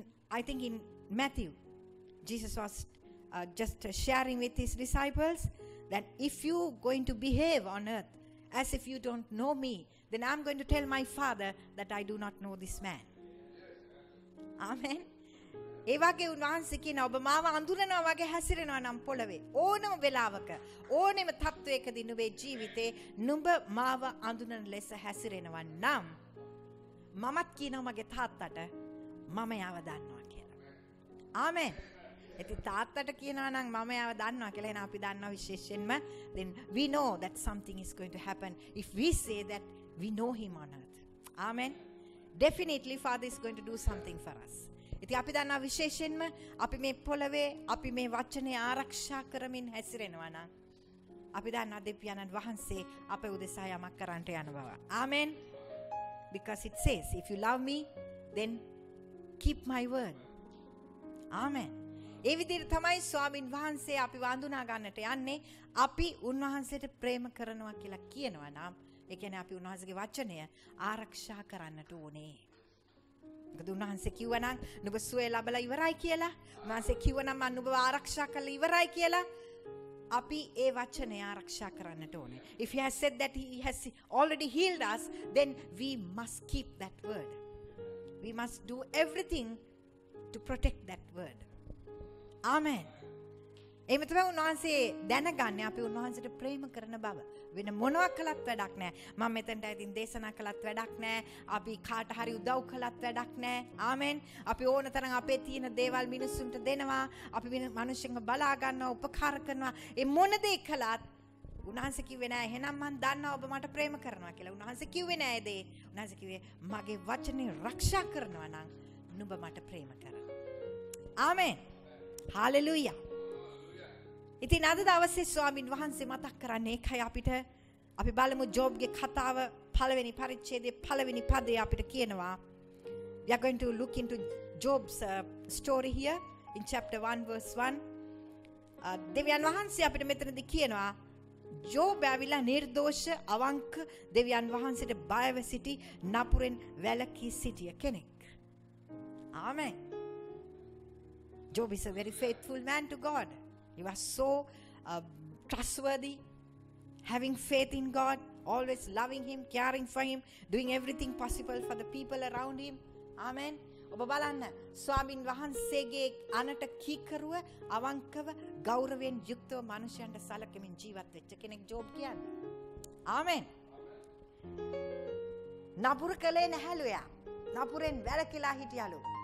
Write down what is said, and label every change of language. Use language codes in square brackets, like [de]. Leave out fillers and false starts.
[en] I think in Matthew Jesus was just sharing with his disciples that if you going to behave on earth as if you don't know me, then I'm going to tell my father that I do not know this man. Amen. [si] ඒ වගේ උන්වහන්සේ කියන ඔබ මාව අඳුරනවා වගේ හැසිරෙනවා නම් පොළවේ ඕනම වෙලාවක ඕනෙම තත්වයකදී නුඹේ ජීවිතේ නුඹ මාව අඳුනන ලෙස හැසිරෙනවා නම් මමත් කියනවා මගේ තාත්තට මම යව දන්නවා කියලා. ආමෙන්. ඉතින් තාත්තට කියනවා නම් මම යව දන්නවා කියලා. එහෙනම් අපි දන්නවා විශේෂයෙන්ම [en] then we know that something is going to happen if we say that we know him on earth. Amen. Definitely father is going to do something for us. [si] ඉතින් අපි දන්නා විශේෂයෙන්ම අපි මේ පොළවේ අපි මේ වචනේ ආරක්ෂා කරමින් හැසිරෙනවා නම් අපි දන්නා දෙවියන් වහන්සේ අපේ උදෙසා යමක් කරන්නට යන බව. ආමෙන්. [en] Because it says if you love me then keep my word. [si] ආමෙන්. ඒ විදිහට තමයි ස්වාමින් වහන්සේ අපි වඳුනා ගන්නට යන්නේ. අපි උන්වහන්සේට ප්‍රේම කරනවා කියලා කියනවා නම් ඒ කියන්නේ අපි උන්වහන්සේගේ වචනය ආරක්ෂා කරන්නට ඕනේ. මොකද උන්වහන්සේ කිව්වනම් නුඹ සුවය ලැබලා ඉවරයි කියලා. උන්වහන්සේ කිව්වනම් මම නුඹව ආරක්ෂා කරලා ඉවරයි කියලා. අපි ඒ වචනය ආරක්ෂා කරන්නට ඕනේ. [en] If he has said that he has already healed us, then we must keep that word. We must do everything to protect that word. Amen. [si] එහෙම තමයි උන්වහන්සේ දැනගන්නේ අපි උන්වහන්සේට ප්‍රේම කරන බව. වෙන මොනවා කළත් වැඩක් නැහැ. මම මෙතනට ඇවිත් දේශනා කළත් වැඩක් නැහැ. අපි කාට හරි උදව් කළත් වැඩක් නැහැ. ආමෙන්. අපි ඕන තරම් අපේ තියෙන දේවල් මිනිස්සුන්ට දෙනවා. අපි මිනිස්සුන්ව බලා ගන්නවා, උපකාර කරනවා. ඒ මොන දේ කළත් උන්වහන්සේ කිව්වේ නැහැ. එහෙනම් මම දන්නවා ඔබ මට ප්‍රේම කරනවා කියලා. උන්වහන්සේ කිව්වේ නැහැ ඒ දේ. උන්වහන්සේ කිව්වේ මගේ වචනේ ආරක්ෂා කරනවා නම් නුඹ මට ප්‍රේම කරා. ආමෙන්. හාලෙලූයා. ඉතින් අද දවසේ ස්වාමින් වහන්සේ මතක් කරන්නේ එකයි අපිට. අපි බලමු ජොබ්ගේ කතාව පළවෙනි පරිච්ඡේදයේ පළවෙනි පදේ අපිට කියනවා. [en] We are going to look into Job's story here in chapter 1 verse 1. [si] දෙවියන් වහන්සේ අපිට මෙතනදී කියනවා ජොබ් ඇවිල්ලා නිර්දෝෂ අවංක දෙවියන් වහන්සේට බයව සිටි නපුරෙන් වැළකී සිටිය කෙනෙක්. ආමෙන්. [en] Job is a very faithful man to God. He was so trustworthy, having faith in God, always loving him, caring for him, doing everything possible for the people around him. Amen. [si] ඔබ බලන්න ස්වාමින් වහන්සේගේ අනට කීකරුව අවංකව ගෞරවයෙන් යුක්තව මිනිසයන්ට සලකමින් ජීවත් වෙච්ච කෙනෙක් ජොබ් කියන්නේ. ආමෙන්. නපුර කලේ නැහැලුයා. නපුරෙන් වැළකීලා හිටියලු.